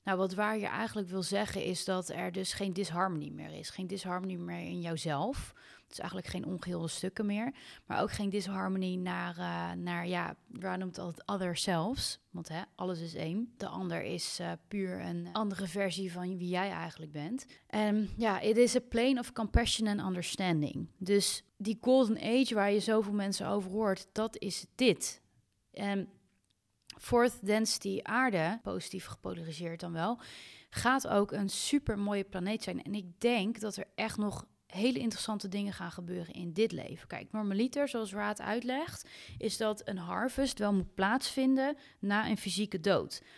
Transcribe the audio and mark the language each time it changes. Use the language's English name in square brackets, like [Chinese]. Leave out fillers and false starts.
[Dutch] Nou, wat waar je eigenlijk wil zeggen is dat er dus geen disharmonie meer is. Geen disharmonie meer in jouzelf. Dus eigenlijk geen ongeheelde stukken meer. Maar ook geen disharmonie waar noemt het [English] other selves. [Dutch] Want hè, alles is één. De ander is puur een andere versie van wie jij eigenlijk bent. En ja, [English] it is a plane of compassion and understanding. [Dutch] Dus die golden age waar je zoveel mensen over hoort, dat is dit. En fourth density aarde, positief gepolariseerd dan wel, gaat ook een super mooie planeet zijn. En ik denk dat er echt nog hele interessante dingen gaan gebeuren in dit leven. Kijk, normaliter, zoals Raad uitlegt, is dat een harvest wel moet plaatsvinden na een fysieke dood.